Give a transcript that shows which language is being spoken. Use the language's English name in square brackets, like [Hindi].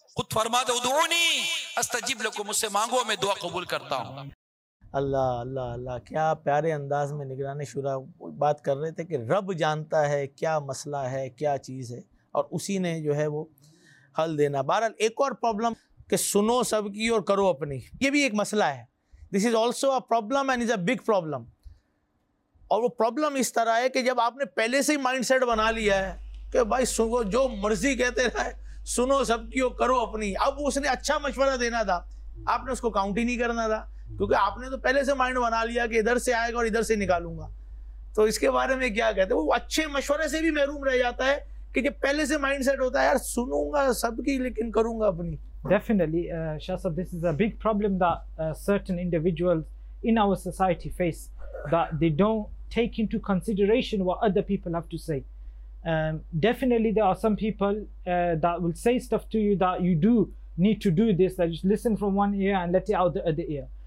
[Urdu] خود فرماتے ہیں [Arabic] ادعونی استجب لکم, [Urdu] مجھ سے مانگو میں دعا قبول کرتا ہوں. اللہ اللہ اللہ, کیا پیارے انداز میں نگران شورا بات کر رہے تھے کہ رب جانتا ہے کیا مسئلہ ہے کیا چیز ہے اور اسی نے جو ہے وہ حل دینا. بہرحال ایک اور پرابلم کہ سنو سب کی اور کرو اپنی, یہ بھی ایک مسئلہ ہے. [English] This is also a problem and is a big problem. [Urdu] اور وہ problem اس طرح ہے کہ جب آپ نے پہلے سے ہی مائنڈ سیٹ بنا لیا ہے کہ بھائی سنو جو مرضی کہتے رہے سنو سب کی اور کرو اپنی, اب اس نے اچھا مشورہ دینا تھا آپ نے اس کو کاؤنٹ ہی نہیں کرنا تھا کیونکہ آپ نے تو پہلے سے مائنڈ بنا لیا کہ ادھر سے آئے گا اور ادھر سے نکالوں گا, تو اس کے بارے میں کیا کہتے ہیں. وہ اچھے مشورے سے بھی محروم رہ جاتا ہے کہ جب پہلے سے مائنڈ سیٹ ہوتا ہے یار سنوں گا سب کی لیکن کروں گا اپنی. [English] Definitely, Shah Sahab, this is a big problem that certain individuals in our society face, that they don't take into consideration what other people have to say. Definitely, there are some people that will say stuff to you that you do need to do this, that you just listen from one ear and let it out the other ear.